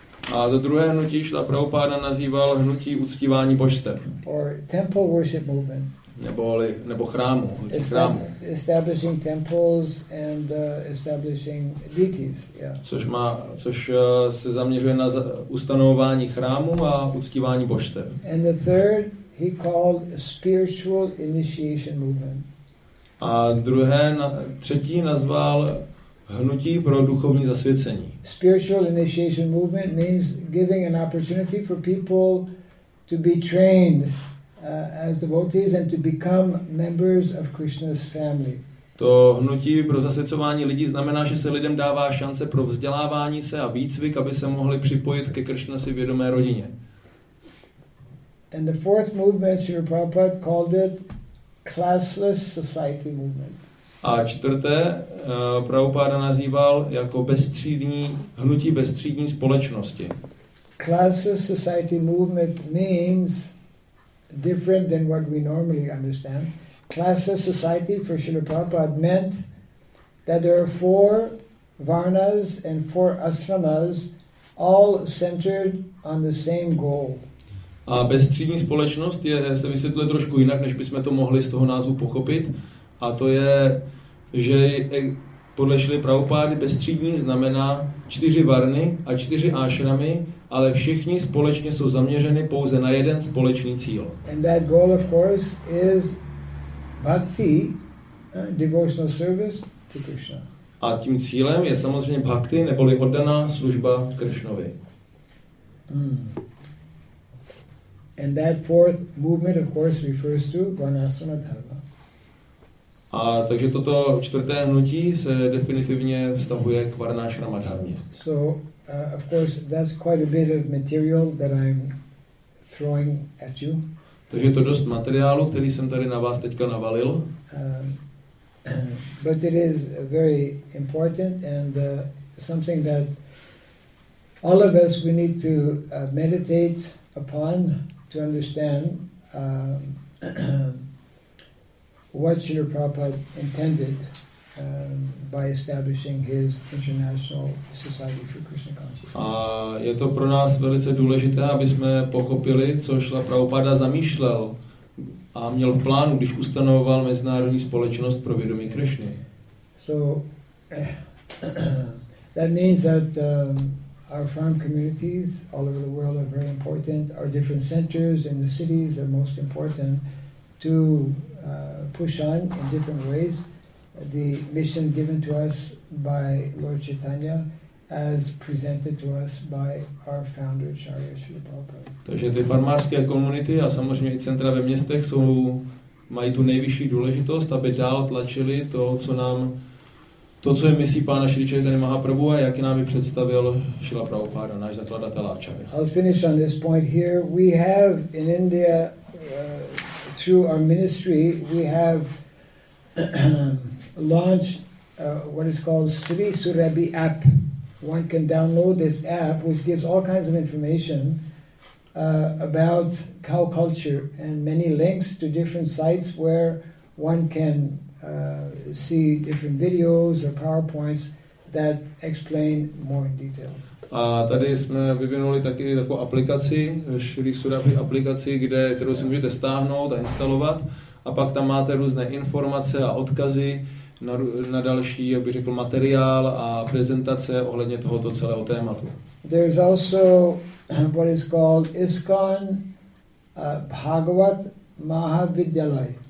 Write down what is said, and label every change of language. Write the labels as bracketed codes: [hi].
[cs] A to druhé hnutí Srila Prabhupada nazýval hnutí uctívání božstev. [en] Or temple worship movement. [cs] Nebo chrámu, hnutí chrámu. [en] Establishing temples and establishing deities. Yeah. [cs] Což se zaměřuje na ustanovování chrámu a uctívání božstev. [en] And the third he called spiritual initiation movement. [cs] A třetí nazval hnutí pro duchovní zasvěcení. [en] Spiritual initiation movement means giving an opportunity for people to be trained as devotees and to become members of Krishna's family. [cs] To hnutí pro zasvěcování lidí znamená, že se lidem dává šance pro vzdělávání se a výcvik, aby se mohli připojit ke Krishnasi vědomé rodině. [en] And the fourth movement, Srila Prabhupada called it classless society movement. [cs] A čtvrté Prabhupada nazýval jako bezstřídní hnutí bezstřídní společnosti. [en] Classless society movement means different than what we normally understand. Classless society for Srila Prabhupada meant that there are four varnas and four ashramas all centered on the same goal. [cs] A bezstřídní společnost je se vysvětluje trošku jinak, než bychom to mohli z toho názvu pochopit. A to je, že podle Šily Prabhupády bezstřídní znamená čtyři varny a čtyři ášramy, ale všichni společně jsou zaměřeny pouze na jeden společný cíl. [en] And that goal, of course, is bhakti, devotional service to Krishna. [cs] A tím cílem je samozřejmě bhakti, neboli oddaná služba Krishnovi. Hmm. [en] And that fourth movement, of course, refers to Varnasrama Dharma. [cs] A takže toto čtvrté hnutí se definitivně vztahuje k Varnasrama Dharmě. [en] So, of course, that's quite a bit of material that I'm throwing at you. [cs] Takže to dost materiálu, který jsem tady na vás teďka navalil. [en] But it is very important and something that all of us we need to meditate upon to understand what Srila Prabhupada intended. by establishing his International Society for Krishna Consciousness. [cs] A je to pro nás velice důležité, aby jsme pochopili, co Šrila Prabhupada zamýšlel a měl v plánu, když ustanovoval mezinárodní společnost pro vědomí Krishny. [en] So that means that our farm communities all over the world are very important. Our different centers in the cities are most important to push on in different ways the mission given to us by Lord Chaitanya as presented to us by our founder Acharya Srila Prabhupada. [cs] Takže ty farmářské komunity a samozřejmě i centra ve městech jsou mají tu nejvyšší důležitost, aby dál tlačili to, co nám to, co je misí pána Šrily Chaitanya Mahaprabhu a jak nám ji představil Šrila Prabhupada, náš zakladatel Ačary. [en] I'll finish on this point here. We have in India, through our ministry, we have launched what is called Sri Surabhi app. One can download this app, which gives all kinds of information about cow culture and many links to different sites where one can see different videos or PowerPoints that explain more in detail. [cs] A tady jsme vyvinuli taky takovou aplikaci, Sri Surabhi aplikaci, kterou si můžete stáhnout a instalovat. A pak tam máte různé informace a odkazy na další, jak bych řekl, materiál a prezentace ohledně tohoto celého tématu. [en] There's also what is called ISKCON Bhagavat Mahavidyalay.